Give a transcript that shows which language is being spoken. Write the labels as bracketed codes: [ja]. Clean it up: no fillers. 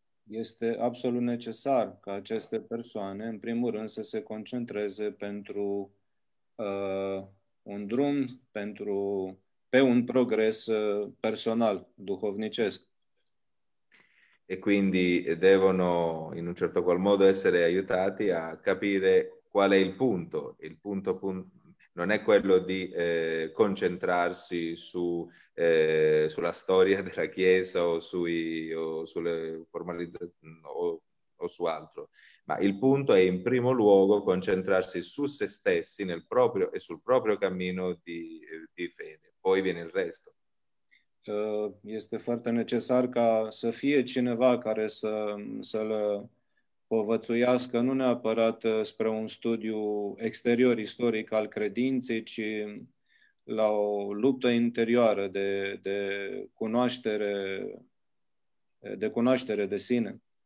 [ro] Este absolut necesar ca aceste persoane, în primul rând, să se concentreze pentru un drum, pentru pe un progres personal, duhovnicesc. [it] E quindi devono in un certo qual modo essere aiutati a capire qual è il punto. Il punto non è quello di concentrarsi su sulla storia della Chiesa o sui o sulle formalizzazioni o su altro, ma il punto è in primo luogo concentrarsi su se stessi nel proprio e sul proprio cammino di fede. Poi viene il resto. [ro] Este foarte necesar ca să fie cineva care să le povățuiască nu neapărat spre un studiu exterior istoric al credinței, ci la o luptă interioară de cunoaștere, de cunoaștere de sine.